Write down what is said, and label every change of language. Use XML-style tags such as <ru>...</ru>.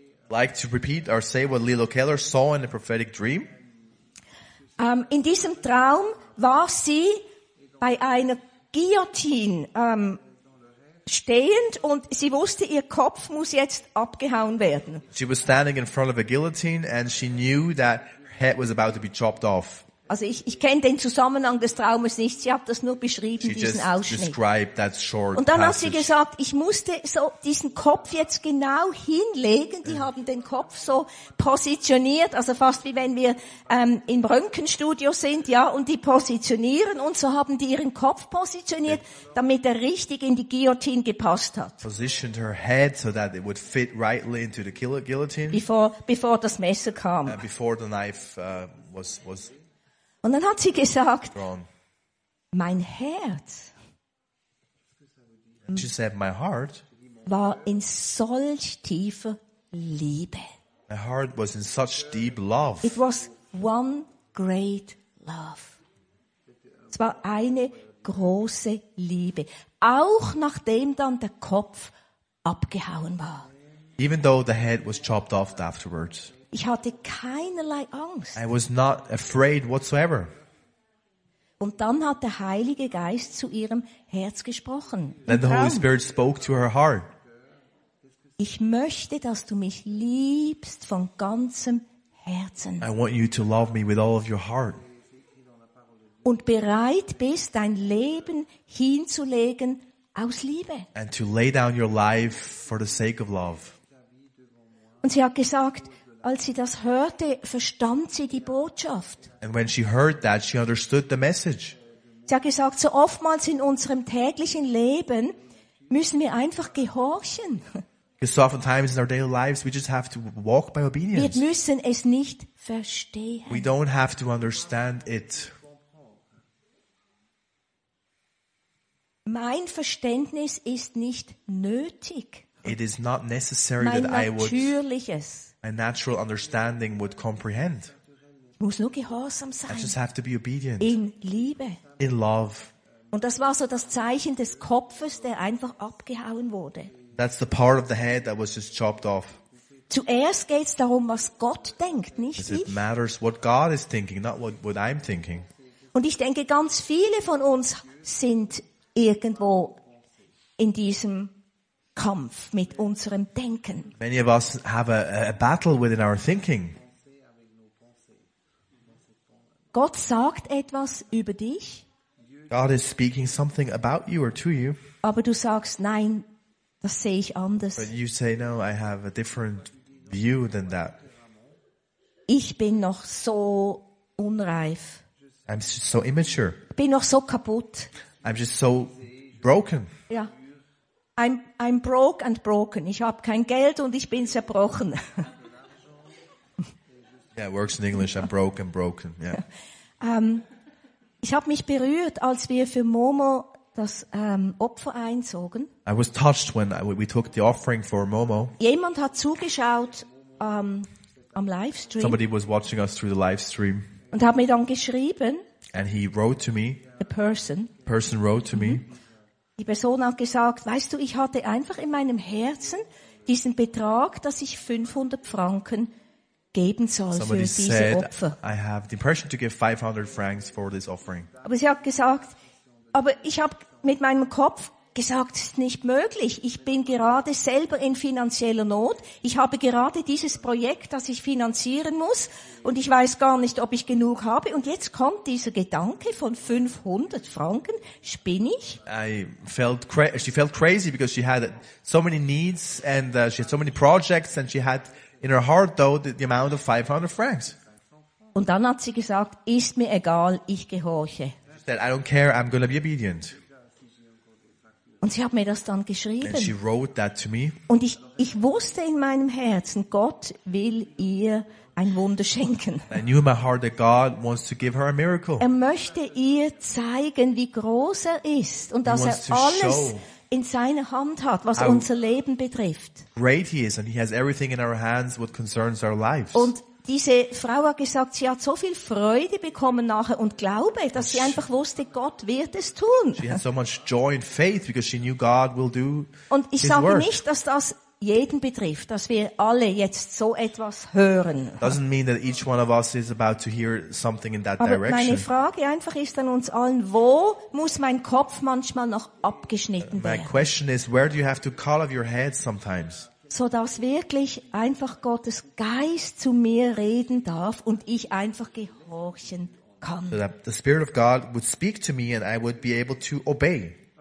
<en>Like to repeat or say what Lilo Keller saw in a prophetic dream?</en> <de>In diesem Traum war sie bei einer Guillotine stehend und sie wusste, ihr Kopf muss jetzt abgehauen werden.</de> <en>She was standing in front of a guillotine and she knew that her head was about to be chopped off.</en> <de>Also ich kenne den Zusammenhang des Traumes nicht. Sie hat das nur beschrieben,</de> <en>she</en> <de>diesen</de> <en>just</en> <de>Ausschnitt.</de> <en>Described that short</en> <de>und dann</de> <en>passage.</en> <de>Hat sie gesagt, ich musste so diesen Kopf jetzt genau hinlegen. Die haben den Kopf so positioniert, also fast wie wenn wir im Röntgenstudio sind, ja, und die positionieren und so haben die ihren Kopf positioniert, damit er richtig in die Guillotine gepasst hat.</de> <en>Positioned her head so that it would fit rightly into the guillotine.</en> <de>Bevor das Messer kam.</de> <en>Before the knife was.</en> <de>Und dann hat sie gesagt, mein Herz</de> <en>she said, my heart</en> <de>war in solch tiefer Liebe.</de> <en>My heart was in such deep love. It was one great love.</en> <de>Es war eine große Liebe. Auch nachdem dann der Kopf abgehauen war.</de> <en>Even though the head was chopped off afterwards.</en> <de>Ich hatte keinerlei Angst.</de> <en>I was not afraid whatsoever.</en> <de>Und dann hat der Heilige Geist zu ihrem Herz gesprochen.</de> <en>Then the Holy Spirit spoke to her heart.</en> <de>Ich möchte, dass du mich liebst von ganzem Herzen.</de> <en>I want you to love me with all of your heart.</en> <de>Und bereit bist, dein Leben hinzulegen aus Liebe.</de> <en>And to lay down your life for the sake of love.</en> <de>Und sie hat gesagt, als sie das hörte, verstand sie die Botschaft.</de> <en>And when she heard that, she understood the message.</en> <de>Sie hat gesagt, so oftmals in unserem täglichen Leben müssen wir einfach gehorchen.</de> <en>Because oftentimes in our daily lives we just have to walk by obedience.</en> <de>Wir müssen es nicht verstehen.</de> <en>We don't have to understand it.</en> <de>Mein Verständnis ist nicht nötig.</de> <en>It is not necessary</en> <de>mein</de> <en>that I would.</en> <de>Mein natürliches.</de> <en>My natural understanding would comprehend.</en> <de>Ich muss nur gehorsam sein.</de> <en>I just have to be obedient.</en> <de>In Liebe.</de> <en>In love.</en> <de>Und das war so das Zeichen des Kopfes, der einfach abgehauen wurde.</de> <en>That's the part of the head that was just chopped off.</en> <de>Zuerst geht's darum, was Gott denkt, nicht ich.</de> <en>It matters what God is thinking, not what I'm thinking.</en> <de>Und ich denke, ganz viele von uns sind irgendwo in diesem Kampf mit unserem Denken.</de> <en>Many of us have a battle within our thinking.</en> <de>Gott sagt etwas über dich.</de> <en>God is speaking something about you or to you.</en> <de>Aber du sagst, nein, das sehe ich anders.</de> <en>But you say, no, I have a different view than that.</en> <de>Ich bin noch so unreif.</de> <en>I'm so immature.</en> <de>Ich bin noch so kaputt.</de> <en>I'm just so broken. Yeah. I'm broke and broken.</en> <de>Ich habe kein Geld und ich bin zerbrochen.</de> <en>Yeah, it works in English. I'm broke and broken. Yeah.</en> <de>Ich habe mich berührt, als wir für Momo das Opfer einzogen.</de> <en>I was touched when we took the offering for Momo.</en> <de>Jemand hat zugeschaut am Livestream.</de> <en>Somebody was watching us through the live stream.</en> <de>Und hat mir dann geschrieben.</de> <en>And he wrote to me. The person. Person wrote to me.</en> <de>Die Person hat gesagt, weißt du, ich hatte einfach in meinem Herzen diesen Betrag, dass ich 500 Franken geben soll</de> <en>somebody</en> <de>für diese</de> <en>said,</en> <de>Opfer.</de> <en>I have the impression to give 500 francs for this offering.</en> <de>Aber sie hat gesagt, aber ich habe mit meinem Kopf gesagt, es ist nicht möglich. Ich bin gerade selber in finanzieller Not. Ich habe gerade dieses Projekt, das ich finanzieren muss. Und ich weiß gar nicht, ob ich genug habe. Und jetzt kommt dieser Gedanke von 500 Franken. Spinn ich?</de> <en>She felt crazy because she had so many needs and she had so many projects and she had in her heart though the amount of 500 francs.</en> <de>Und dann hat sie gesagt, ist mir egal, ich gehorche.</de> <en>She said, I don't care, I'm going to be obedient.</en> <de>Und sie hat mir das dann geschrieben.</de> <en>And she wrote that to me.</en> <de>Und ich wusste in meinem Herzen, Gott will ihr ein Wunder schenken.</de> <en>I knew in my heart that God wants to give her a miracle.</en> <de>Er möchte ihr zeigen, wie groß er ist und dass er alles in seiner Hand hat, was unser Leben betrifft.</de> <en>Great he is, and he has everything in our hands what concerns our lives.</en> <de>Und diese Frau hat gesagt, sie hat so viel Freude bekommen nachher und Glaube, dass sie einfach wusste, Gott wird es tun.</de> <en>She had so much joy and faith because she knew God will do his work.</en> <de>Und ich sage</de> <en>work.</en> <de>Nicht, dass das jeden betrifft, dass wir alle jetzt so etwas hören.</de> <en>Doesn't mean that each one of us is about to hear something in that</en> <de>Aber</de> <en>direction.</en> <de>Meine Frage einfach ist an uns allen, wo muss mein Kopf manchmal noch abgeschnitten werden?</de> <en>My question is, where do you have to cut off your head sometimes?</en> <de>So dass wirklich einfach Gottes Geist zu mir reden darf und ich einfach gehorchen kann.</de> <en>So that the Spirit of God would speak to me and I would be able to obey.</en>